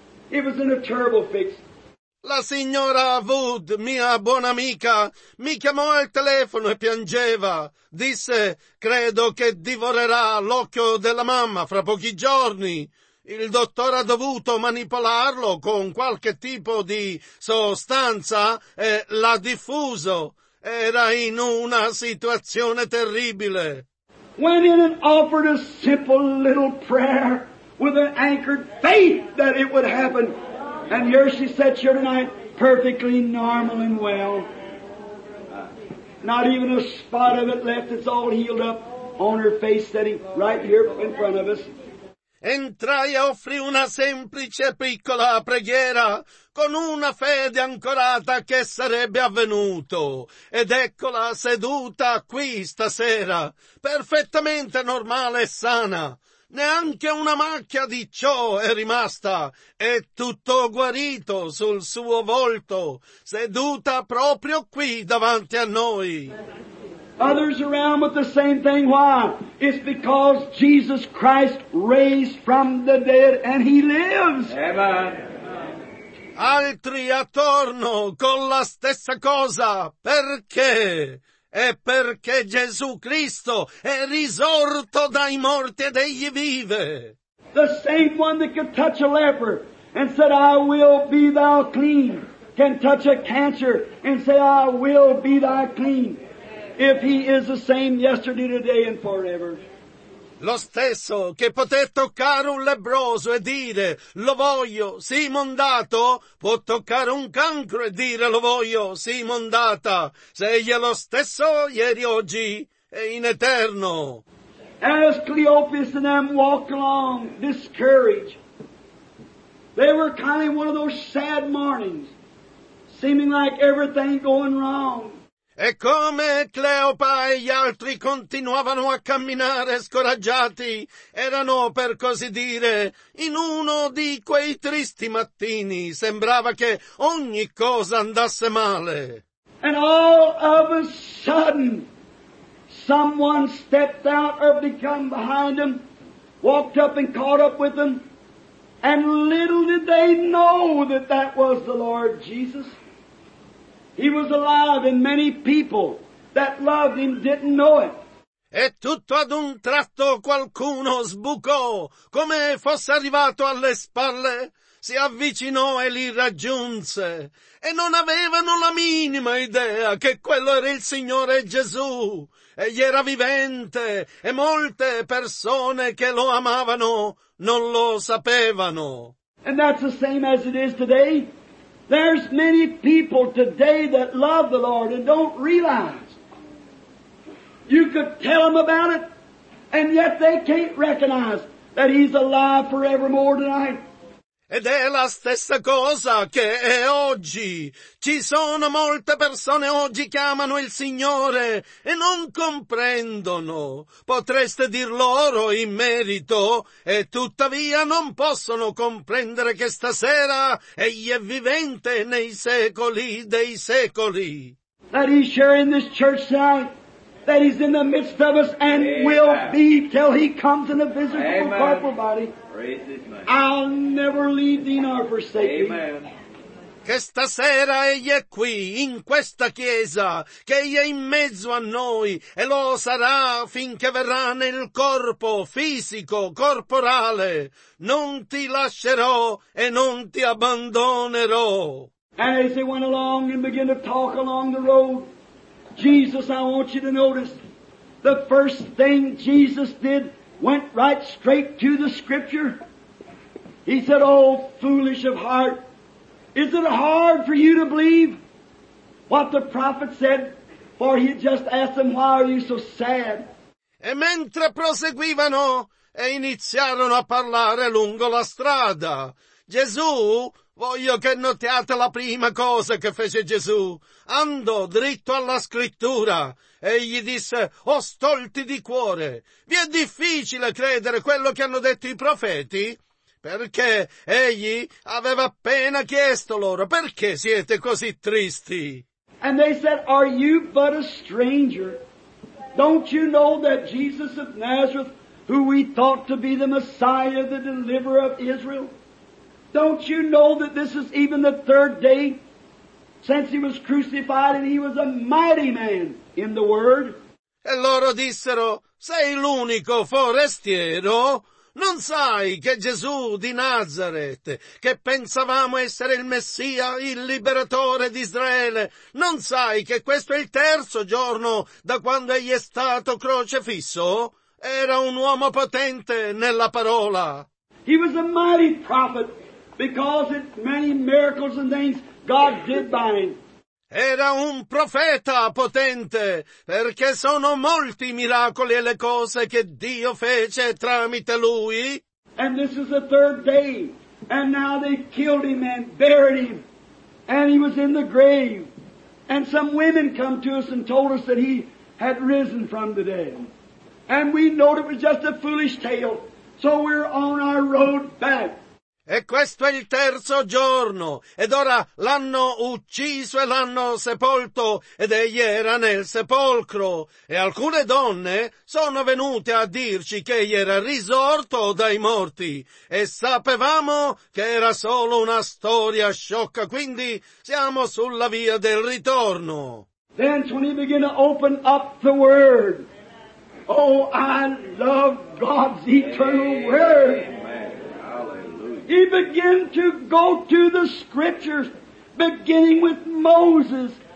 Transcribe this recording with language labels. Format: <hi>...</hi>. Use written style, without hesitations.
<en>It was in a terrible fix.</en> <it>La signora Wood, mia buona amica, mi chiamò al telefono e piangeva. Disse, credo che divorerà l'occhio della mamma fra pochi giorni. Il dottore ha dovuto manipolarlo con qualche tipo di sostanza e l'ha diffuso. Era in una situazione terribile.</it> <en>Went in and offered a simple little prayer with an anchored faith that it would happen. And here she sits here tonight, perfectly normal and well. Not even a spot of it left, it's all healed up on her face, sitting right here in front of us.</en> <it>Entrai e offri una semplice piccola preghiera con una fede ancorata che sarebbe avvenuto. Ed eccola seduta qui stasera, perfettamente normale e sana. Neanche una macchia di ciò è rimasta, è tutto guarito sul suo volto, seduta proprio qui davanti a noi.</it> <en>Others around with the same thing. Why? It's because Jesus Christ raised from the dead and He lives. Amen.</en> <it>Altri attorno con la stessa cosa. Perché? È perché Gesù Cristo è risorto dai morti ed egli vive.</it> <en>The same one that could touch a leper and said, I will be thou clean, can touch a cancer and say, I will be thou clean. If he is the same yesterday, today and forever.</en> <it>Lo stesso che poté toccare un lebbroso e dire lo voglio, sii mondato, può toccare un cancro e dire lo voglio, sii mondata, se egli è lo stesso ieri, oggi e in eterno.</it> <en>As Cleopas and them walked along discouraged, they were kind of one of those sad mornings, seeming like everything going wrong.</en> <it>E come Cleopa e gli altri continuavano a camminare scoraggiati, erano, per così dire, in uno di quei tristi mattini, sembrava che ogni cosa andasse male.</it> <en>And all of a sudden, someone stepped out or became behind them, walked up and caught up with them, and little did they know that that was the Lord Jesus. He was alive, and many people that loved him didn't know it.</en> <it>E tutto ad un tratto qualcuno sbucò, come fosse arrivato alle spalle, si avvicinò e li raggiunse, e non avevano la minima idea che quello era il Signore Gesù. Egli era vivente, e molte persone che lo amavano non lo sapevano.</it> <en>And that's the same as it is today. There's many people today that love the Lord and don't realize. You could tell them about it, and yet they can't recognize that He's alive forevermore tonight.</en> <it>Ed è la stessa cosa che è oggi. Ci sono molte persone oggi che amano il Signore e non comprendono. Potreste dir loro in merito e tuttavia non possono comprendere che stasera Egli è vivente nei secoli dei secoli.</it> <en>That He's here in this church tonight, that He's in the midst of us and Amen. Will be till He comes in a visible Amen. Corporal body. I'll never leave thee nor forsake thee.</en> <it>Che stasera Egli è qui, in questa chiesa, che Egli è in mezzo a noi, e lo sarà finché verrà nel corpo fisico, corporale. Non ti lascerò e non ti abbandonerò.</it> <en>And as they went along and began to talk along the road, Jesus, I want you to notice, the first thing Jesus did went right straight to the scripture. He said, oh, foolish of heart, is it hard for you to believe what the prophet said? For he had just asked them, why are you so sad?</en> <it>E mentre proseguivano e iniziarono a parlare lungo la strada, Gesù, voglio che notiate la prima cosa che fece Gesù, andò dritto alla scrittura. E gli disse, o stolti di cuore, vi è difficile credere quello che hanno detto i profeti? Perché egli aveva appena chiesto loro, perché siete così tristi?</it> <en>And they said, are you but a stranger? Don't you know that Jesus of Nazareth, who we thought to be the Messiah, the deliverer of Israel? Don't you know that this is even the third day since he was crucified and he was a mighty man in the word?</en> <it>E loro dissero, sei l'unico forestiero? Non sai che Gesù di Nazareth, che pensavamo essere il Messia, il liberatore di Israele, non sai che questo è il terzo giorno da quando egli è stato crocifisso? Era un uomo potente nella parola.</it> <en>He was a mighty prophet because of many miracles and things God did by him.</en> <it>Era un profeta potente, perché sono molti i miracoli e le cose che Dio fece tramite lui.</it> <en>And this is the third day, and now they killed him and buried him, and he was in the grave. And some women come to us and told us that he had risen from the dead. And we know it was just a foolish tale, so we're on our road back.</en> <it>E questo è il terzo giorno, ed ora l'hanno ucciso e l'hanno sepolto, ed egli era nel sepolcro. E alcune donne sono venute a dirci che egli era risorto dai morti, e sapevamo che era solo una storia sciocca, quindi siamo sulla via del ritorno.</it> <en>Then when he began to open up the word, oh, I love God's eternal word. He began to go to the scriptures, beginning with Moses.</en>